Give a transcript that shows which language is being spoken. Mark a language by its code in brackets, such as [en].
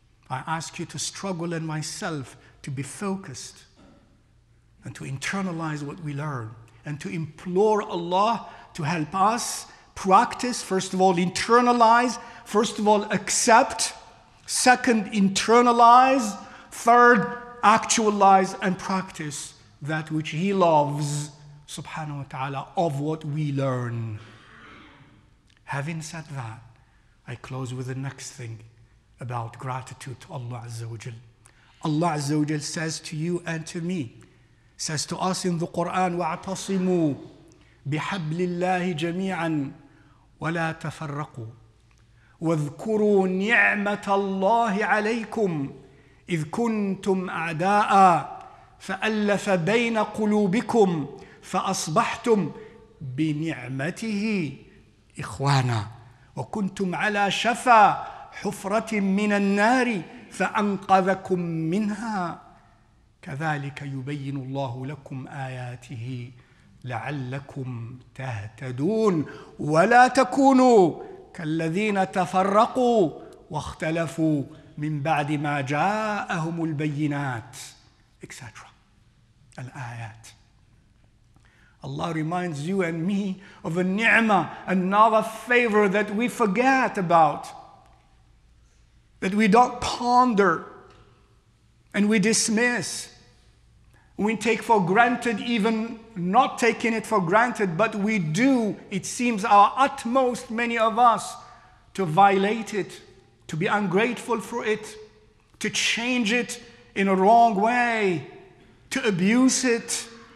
[en] I ask you to struggle in myself to be focused and to internalize what we learn and to implore Allah to help us practice, first of all, internalize, first of all, accept, second, internalize, third, actualize and practice that which He loves, subhanahu wa ta'ala, of what we learn. Having said that, I close with the next thing about gratitude to Allah Azza wa Jal. Allah Azza wa Jal says to you and to me, says to us in the Quran, [ar] وَاعْتَصِمُوا بِحَبْلِ اللَّهِ جَمِيعًا وَلَا تَفَرَّقُوا وَاذْكُرُوا نِعْمَةَ اللَّهِ عَلَيْكُمْ إِذْ كُنْتُمْ أَعْدَاءً فألف بين قلوبكم فأصبحتم بنعمته إخوانا وكنتم على شفا حفرة من النار فأنقذكم منها كذلك يبين الله لكم آياته لعلكم تهتدون ولا تكونوا كالذين تفرقوا واختلفوا من بعد ما جاءهم البينات [en] etc. [ar] Al-Ayat. [en] Allah reminds you and me of a ni'mah, another favor that we forget about, that we don't ponder and we dismiss. We take for granted, even not taking it for granted, but we do, it seems, our utmost, many of us, to violate it, to be ungrateful for it, to change it in a wrong way, to abuse it.